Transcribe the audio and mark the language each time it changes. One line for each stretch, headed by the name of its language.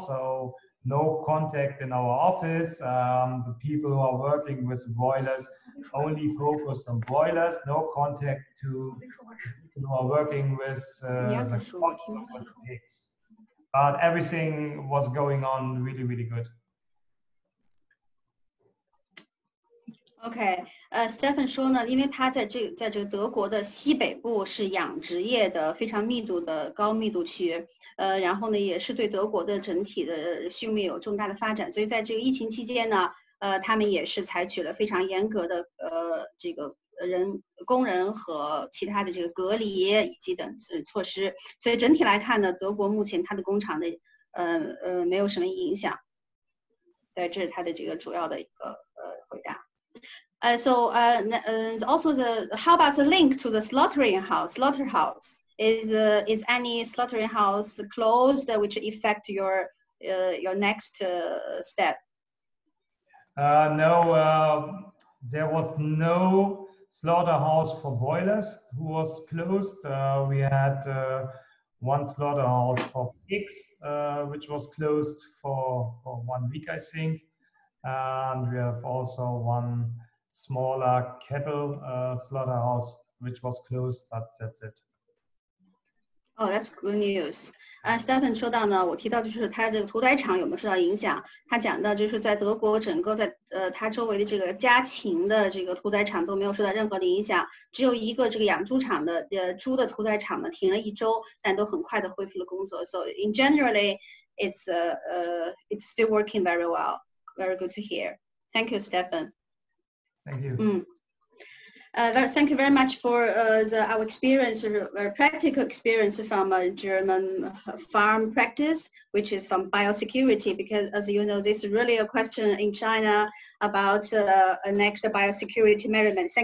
English: So no contact in our office. The people who are working with boilers only focus on boilers, no contact to people who are working with the pots or with pigs. But everything was going on really, really good.
Chinese: Okay, Stephen 说呢，因为他在这个德国的西北部是养殖业的非常密度的高密度区，然后呢也是对德国的整体的畜牧业有重大的发展，所以在这个疫情期间呢，他们也是采取了非常严格的这个人工人和其他的这个隔离以及等措施，所以整体来看呢，德国目前它的工厂的没有什么影响，对，这是他的这个主要的一个回答。
English: Also how about the link to the slaughterhouse? Is any slaughtering house closed that which affect your next step? No, there was no slaughterhouse for boilers who was closed. We had one slaughterhouse for pigs, which was closed for 1 week, I think. And we have also one smaller cattle slaughterhouse, which was closed, but that's it. Oh, that's good news.
Chinese: Stephen 说到呢，我提到就是他这个屠宰场有没有受到影响？他讲到就是在德国整个在他周围的这个家禽的这个屠宰场都没有受到任何的影响，只有一个这个养猪场的猪的屠宰场呢停了一周，但都很快的恢复了工作。
English: So in generally, it's still working very well. Very good to hear. Thank you, Stephen. Thank you. Thank you very much for our experience, our practical experience from a German farm practice, which is from biosecurity, because as you know, this is really a question in China about next biosecurity measurement.